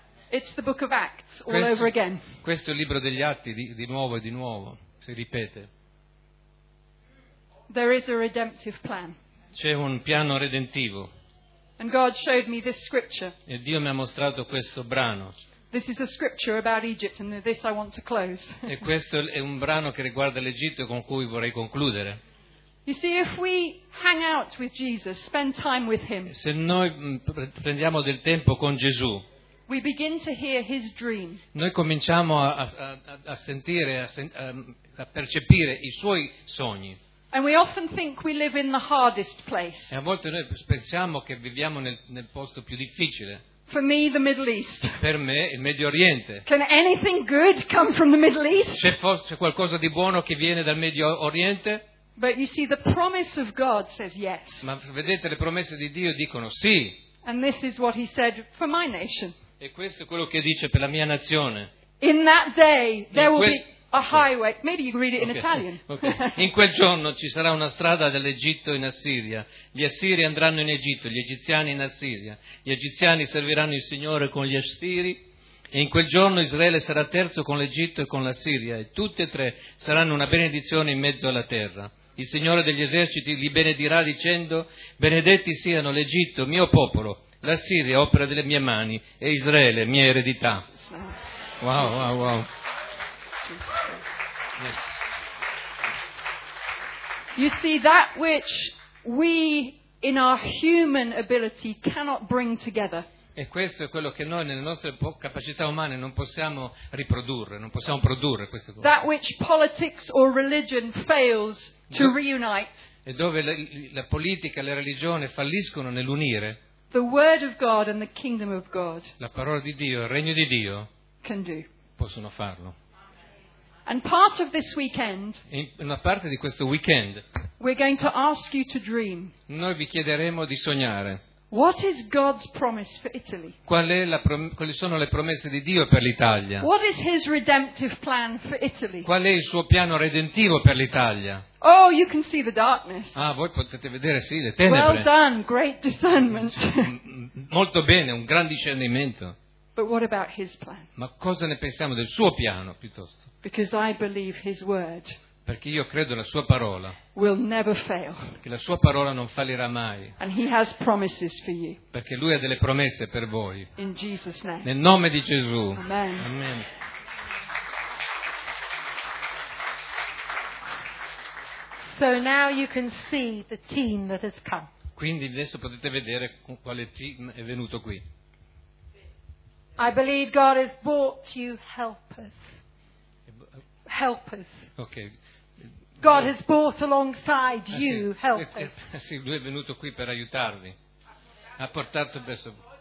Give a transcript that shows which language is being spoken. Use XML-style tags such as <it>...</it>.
<en>It's the book of Acts all over again.</en> <it>Questo è il libro degli Atti di nuovo e di nuovo, si ripete.</it> <en>There is a redemptive plan.</en> <it>C'è un piano redentivo.</it> <en>And God showed me this scripture.</en> <it>E Dio mi ha mostrato questo brano.</it> <en>This is a scripture about Egypt and this I want to close.</en> <it>E questo è un brano che riguarda l'Egitto con cui vorrei concludere.</it> <en>You see, if we hang out with Jesus, spend time with him.</en> <it>Se noi prendiamo del tempo con Gesù.</it> <en>We begin to hear his dream.</en> <it>Noi cominciamo a sentire, a percepire i suoi sogni.</it> <en>And we often think we live in the hardest place.</en> <it>E a volte noi pensiamo che viviamo nel posto più difficile.</it> <en>For me, the Middle East.</en> <it>Per me, il Medio Oriente.</it> <en>Can anything good come from the Middle East?</en> <it>C'è qualcosa di buono che viene dal Medio Oriente?</it> <en>But you see, the promise of God says yes.</en> <it>Ma vedete, le promesse di Dio dicono sì.</it> <en>And this is what he said for my nation.</en> <it>E questo è quello che dice per la mia nazione.</it> <en>In that day there will be a highway. Maybe you can read it in Italian.</en> <it>Okay. In quel giorno ci sarà una strada dall'Egitto in Assiria. Gli Assiri andranno in Egitto, gli Egiziani in Assiria. Gli Egiziani serviranno il Signore con gli Assiri. E in quel giorno Israele sarà terzo con l'Egitto e con l'Assiria. E tutte e tre saranno una benedizione in mezzo alla terra. Il Signore degli eserciti li benedirà dicendo: benedetti siano l'Egitto, mio popolo, la Siria, opera delle mie mani, e Israele, mia eredità.</it> <en>Wow, wow, wow. Yes. You see, that which we in our human ability cannot bring together.</en> <it>E questo è quello che noi nelle nostre capacità umane non possiamo riprodurre, non possiamo produrre queste cose.</it> <en>That which politics or religion fails to reunite.</en> <it>E dove la politica e la religione falliscono nell'unire.</it> <en>The word of God and the kingdom of God.</en> <it>La parola di Dio, il regno di Dio.</it> <en>Can do.</en> <it>Possono farlo.</it> <en>And part of this weekend.</en> <it>In una parte di questo weekend.</it> <en>We're going to ask you to dream.</en> <it>Noi vi chiederemo di sognare.</it> <en>What is God's promise for Italy?</en> <it>Quali sono le promesse di Dio per l'Italia?</it> <en>What is his redemptive plan for Italy?</en> <it>Qual è il suo piano redentivo per l'Italia?</it> <en>Oh, you can see the darkness.</en> <it>Ah, voi potete vedere, sì, le tenebre.</it> <en>Well done, great discernment.</en> <it>Molto bene, un gran discernimento.</it> <en>But what about his plan?</en> <it>Ma cosa ne pensiamo del suo piano, piuttosto?</it> <en>Because I believe his word.</en> <it>Perché io credo la sua parola.</it> <en>Will never fail.</en> <it>Che la sua parola non fallirà mai.</it> <en>And he has promises for you.</en> <it>Perché lui ha delle promesse per voi.</it> <en>In Jesus name.</en> <it>Nel nome di Gesù.</it> <en>Amen. Amen. So now you can see the team that has come.</en> <it>Quindi adesso potete vedere quale team è venuto qui.</it> <en>I believe God has brought you helpers. Helpers. Okay. God has brought alongside you helpers.</en> <it>Sì, lui è venuto qui per aiutarvi. Ha portato verso.</it>